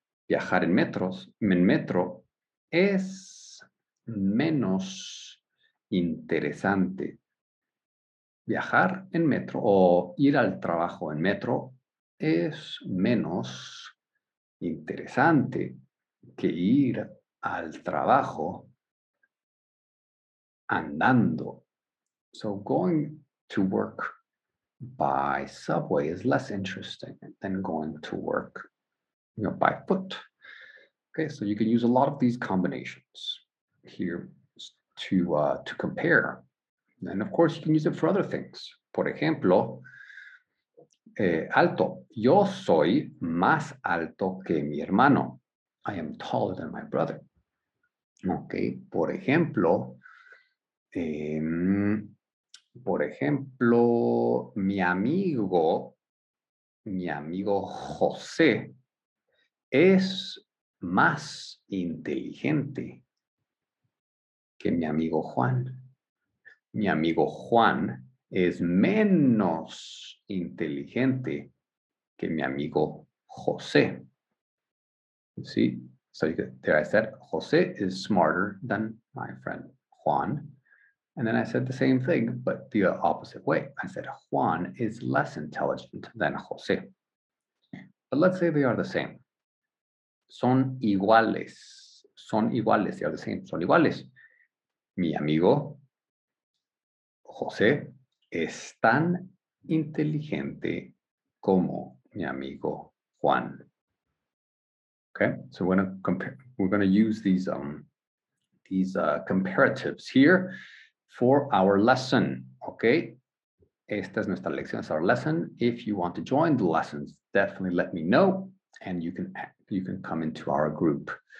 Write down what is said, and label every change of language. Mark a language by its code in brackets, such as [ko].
[es] Viajar en metros, en metro es menos interesante. Viajar en metro o ir al trabajo en metro es menos interesante que ir al trabajo andando. [en] So going to work by subway is less interesting than going to work, you know, by foot. Okay, so you can use a lot of these combinations here to compare. And of course, you can use it for other things. [es] Por ejemplo, alto. Yo soy más alto que mi hermano. [en] I am taller than my brother. [es] Okay, por ejemplo, mi amigo José es más inteligente que mi amigo Juan. Mi amigo Juan es menos inteligente que mi amigo José. [en] See? So you could, there I said, José is smarter than my friend Juan. And then I said the same thing, but the opposite way. I said, Juan is less intelligent than José. But let's say they are the same. [es] Son iguales. [en] They are the same. [es] Son iguales. Mi amigo José es tan inteligente como mi amigo Juan. [en] Okay, so we're going to use these comparatives here for our lesson. Okay, [es] esta es nuestra lección, es [en] our lesson. If you want to join the lessons, definitely let me know, and you can come into our group.